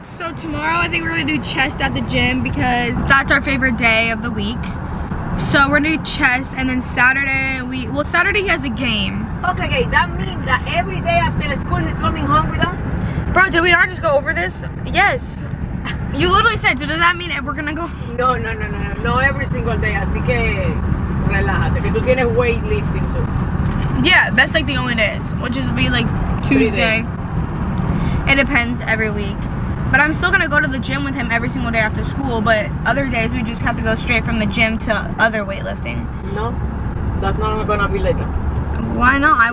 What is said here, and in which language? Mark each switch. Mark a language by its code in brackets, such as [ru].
[en] So tomorrow, I think we're gonna do chess at the gym because that's our favorite day of the week. So we're gonna do chess, and then Saturday he has a game. Okay, that means that every day after school he's coming home with us? Bro, did we not just go over this? Yes. You literally said, so does that mean we're gonna go? No, every single day. [es] Así que relájate, que tú tienes [en] weightlifting too. Yeah, that's like the only days, which is be like Tuesday. It depends every week. But I'm still gonna go to the gym with him every single day after school, but other days we just have to go straight from the gym to other weightlifting. No, that's not gonna be like that. Why not? I